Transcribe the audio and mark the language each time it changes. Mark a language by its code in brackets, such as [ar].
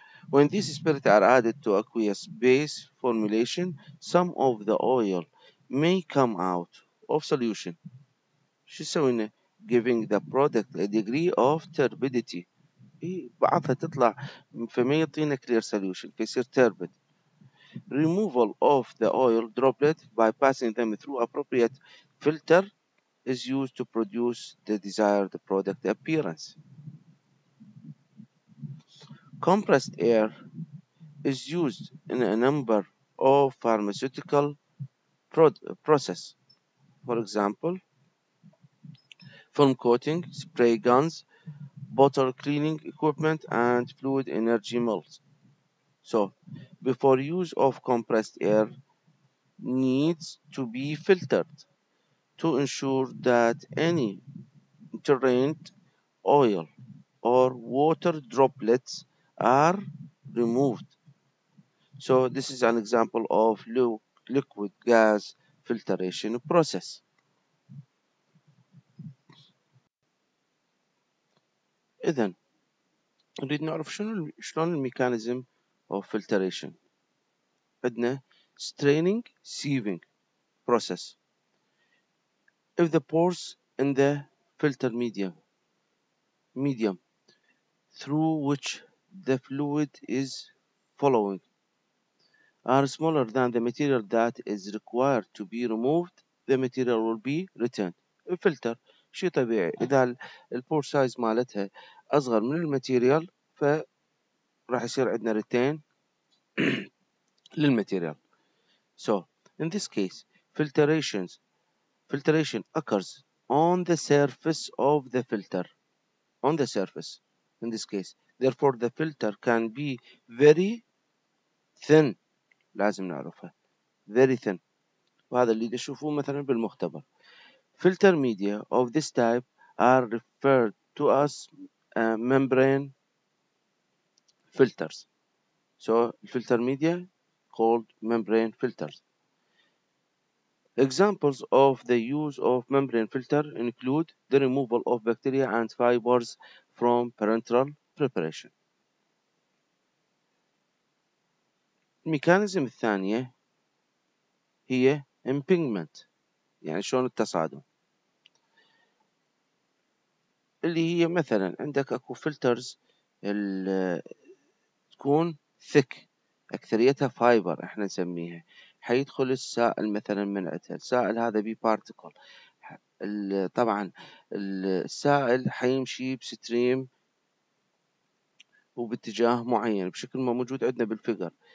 [en] When these spirits are added to aqueous base formulation, some of the oil may come out of solution. She's saying giving the product a degree of turbidity. [ar] بعضها تطلع فما يعطينا clear solution فيصير turbid. [en] Removal of the oil droplet by passing them through appropriate filter is used to produce the desired product appearance. Compressed air is used in a number of pharmaceutical process. For example, film coating, spray guns, bottle cleaning equipment, and fluid energy mills. So, before use of compressed air needs to be filtered to ensure that any drained oil or water droplets are removed. So, this is an example of liquid gas filtration process. [ar] إذا نريد نعرف شلون الميكانيزم of filtration. [en] عندنا straining sieving process. If the pores in the filter medium through which the fluid is flowing are smaller than the material that is required to be removed, the material will be retained. [ar] الفلتر شيء طبيعي، إذا البور سايز مالتها أصغر من الماتيريال فراح يصير عندنا ريتين للماتيريال. [en] So in this case filtration occurs on the surface of the filter. On the surface in this case. Therefore the filter can be very thin. لازم نعرفها. Very thin. [ar] وهذا اللي تشوفوه مثلا بالمختبر. [en] Filter media of this type are referred to as membrane filters. So filter media called membrane filters. Examples of the use of membrane filter include the removal of bacteria and fibers from parenteral preparation. [ar] Mechanism الثانية هي impingement، يعني شلون التصادم. اللي هي مثلا عندك اكو فلترز تكون ثيك اكثريتها فايبر احنا نسميها، حيدخل السائل مثلا من عتل، السائل هذا بي بارتيكل، طبعا السائل حيمشي بستريم وباتجاه معين بشكل ما موجود عندنا بالفيجر.